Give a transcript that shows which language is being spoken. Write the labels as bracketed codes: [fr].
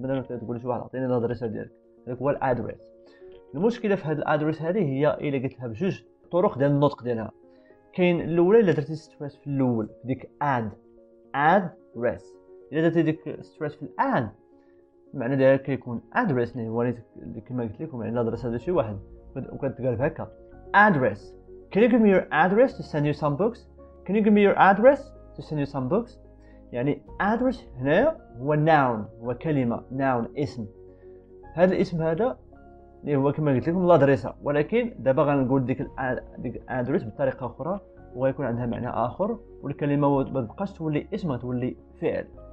[ar] مثلا تقول لشي واحد عطيني الادريس ديالك هذاك هو address. المشكلة في هاد address هذه هي إلا قلتها بجوج طرق ديال النطق ديالها. كاين الأولى إلا درتي stress في الأول ديك address. إلا درتي ديك stress في الأن معنى ديالها كيكون address يعني كما قلت لكم يعني الادريس هذا شي واحد وكنت قال بهكا address. [en] Can you give me your address to send you some books? Can you give me your address to send you some books? [ar] يعني address هنا هو noun هو كلمة noun اسم. هذا الاسم هذا اللي هو كما قلت لكم الادريس ولكن دابا غنقول ديك address بطريقة أخرى وغيكون عندها معنى آخر والكلمة ما تبقاش تولي اسم تولي فعل.